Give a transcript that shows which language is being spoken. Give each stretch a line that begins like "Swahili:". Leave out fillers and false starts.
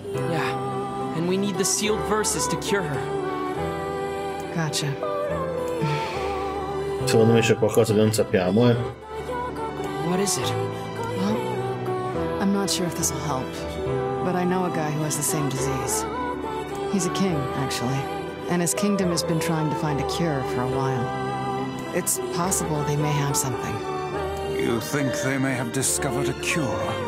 English: Yeah, and we need the sealed verses to cure her. Gotcha.
Italian: Secondo me c'è qualcosa che non sappiamo, eh?
English: What is it? Well, I'm not sure if this will help, but I know a guy who has the same disease. He's a king, actually, and his kingdom has been trying to find a cure for a while. It's possible they may have something. You think they may have discovered a cure?